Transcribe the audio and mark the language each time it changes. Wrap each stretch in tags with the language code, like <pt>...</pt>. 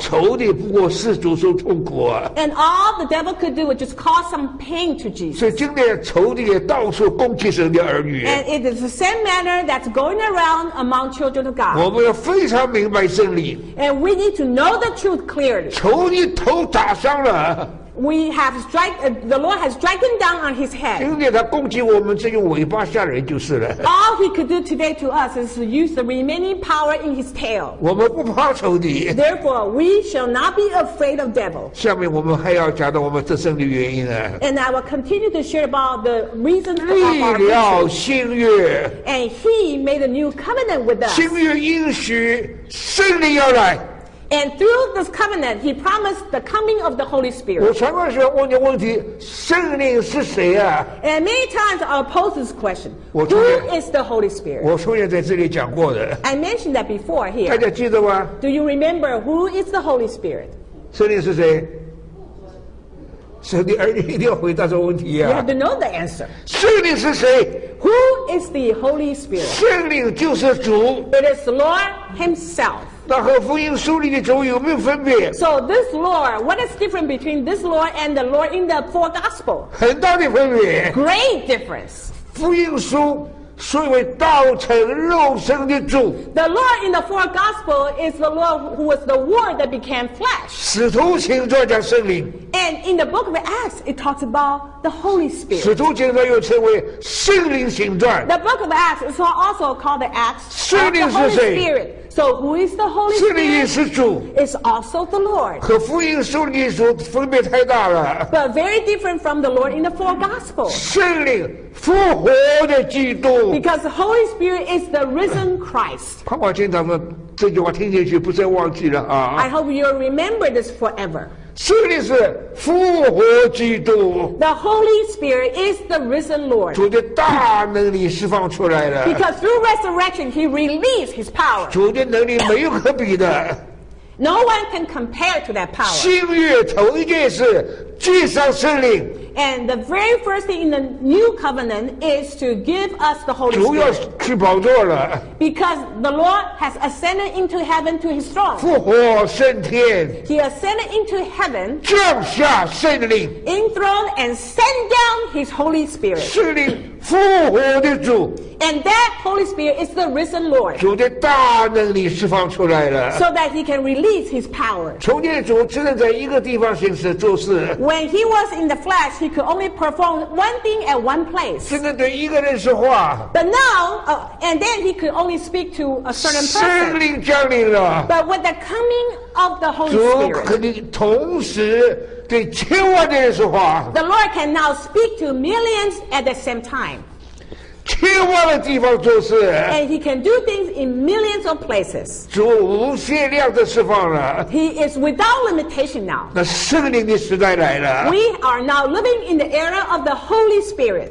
<zh>仇敌不过是主受痛苦啊。</zh> <en>And all the devil could do was just cause some pain to Jesus.</en> <zh>所以今天仇敌也到处攻击神的儿女。</zh> <en>And it is the same manner that's going around among children of God.</en> <zh>我们要非常明白真理。</zh> <en>And we need to know the truth clearly.</en> <zh>仇敌头打伤了。</zh> <en>We have strike, the Lord has striken down on his head.</en> <zh>今天他攻击我们，只用尾巴吓人就是了。</zh> <en>All he could do today to us is to use the remaining power in his tail.</en> <zh>我们不怕仇敌。</zh> <en>Therefore, we shall not be afraid of devil.</en> <zh>下面我们还要讲到我们得胜的原因啊。</zh> <en>And I will continue to share about the reason for our victory.</en> <zh>立了新约。</zh> <en>And he made a new covenant with us.</en> <zh>新约应许圣灵要来。</zh> <en>And through this covenant, he promised the coming of the Holy Spirit.</en> <zh>我常常喜欢问你问题，圣灵是谁啊？</zh> <en>And many times I'll pose this question. Who is the Holy Spirit?</en> <zh>我从前在这里讲过的。</zh> <en>I mentioned that before here.</en> <zh>大家记得吗？</zh> <en>Do you remember who is the Holy Spirit?</en> <zh>圣灵是谁？神的儿女一定要回答这个问题啊。</zh> <en>You have to know the answer.</en> <zh>圣灵是谁？</zh> <en>Who is the Holy Spirit.</en> <zh>圣灵就是主。</zh> <en>It is the Lord Himself.</en> <zh>那和福音书里的主有没有分别？</zh> <en>So this Lord, what is different between this Lord and the Lord in the four Gospels?</en> <zh>很大的分别。</zh> <en>Great difference.</en> <zh>福音书所以为道成肉身的主。</zh> <en>The Lord in the four Gospels is the Lord who was the Word that became flesh.</en> <zh>使徒行传讲圣灵。</zh> <en>And in the book of Acts, it talks about the Holy Spirit.</en> <zh>使徒行传又称为圣灵行传。</zh> <en>The book of Acts is also called the Acts.</en> <zh>圣灵是谁？</zh> <en>The Holy Spirit. So who is the Holy Spirit?</en> <zh>圣灵也是主。</zh> <en>It's also the Lord.</en> <zh>和福音书里的主分别太大了。</zh> <en>But very different from the Lord in the four Gospels.</en> <zh>圣灵复活的基督。</zh> <en>Because the Holy Spirit is the risen Christ.</en> <zh>盼望今天咱们这句话听进去，不再忘记了啊。</zh> <en>I hope you'll remember this forever.</en> <zh>圣灵是复活基督。</zh> <en>The Holy Spirit is the risen Lord.</en> <zh>主的大能力释放出来了。</zh> <en>Because through resurrection, He released His power.</en> <zh>主的能力没有可比的。</zh> <en>No one can compare to that power.</en> <zh>新约头一件事，接上圣灵。</zh> <en>And the very first thing in the new covenant is to give us the Holy Spirit.</en> <zh>主要去宝座了。</zh> <en>Because the Lord has ascended into heaven to His throne.</en> <zh>复活升天。</zh> <en>He ascended into heaven.</en> <zh>降下圣灵。</zh> <en>Enthroned and sent down His Holy Spirit.</en> <zh>圣灵复活的主。</zh> <en>And that Holy Spirit is the risen Lord.</en> <zh>主的大能力释放出来了。</zh> <en>So that He can release His power.</en> <zh>从前主只能在一个地方行事做事。</zh> <en>When He was in the flesh. He could only perform one thing at one place.</en> <zh>只能对一个人说话。</zh> <en>But now,、and then he could only speak to a certain person.</en> <zh>圣灵降临了。</zh> <en>But with the coming of the Holy Spirit,</en> <zh>主可以同时对千万的人说话。</zh> <en>The Lord can now speak to millions at the same time.</en> <zh>千万的地方做事。</zh> <en>And he can do things in millions of places.</en> <zh>主无限量的释放了。</zh> <en>He is without limitation now.</en> <zh>那圣灵的时代来了。</zh> <en>We are now living in the era of the Holy Spirit.</en>